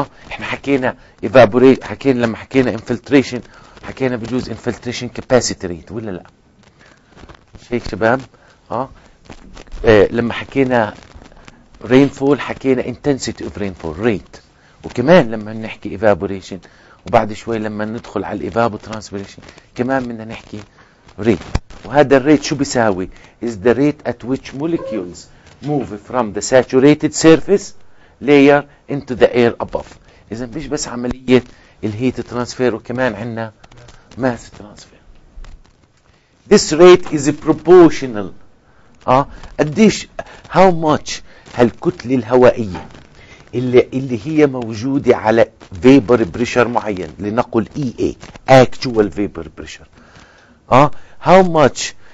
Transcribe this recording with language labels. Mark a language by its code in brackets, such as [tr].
[ar] احنا حكينا evaporate، حكينا لما حكينا infiltration حكينا بجوز infiltration capacity rate ولا لا؟ هيك شباب. لما حكينا rainfall حكينا intensity of rainfall rate، وكمان لما نحكي evaporation وبعد شوي لما ندخل على evapotranspiration كمان بدنا نحكي rate. وهذا الريت شو بيساوي؟ [en] is the rate at which molecules move from the saturated surface layer into the air above. [ar] إذا مش بس عملية الهيت ترانسفير وكمان عنا ماس ترانسفير. [en] This rate is proportional. قديش how much [ar] هالكتلة الهوائية اللي هي موجودة على [en] vapor pressure [ar] معين لنقل [en] EA actual vapor pressure. How much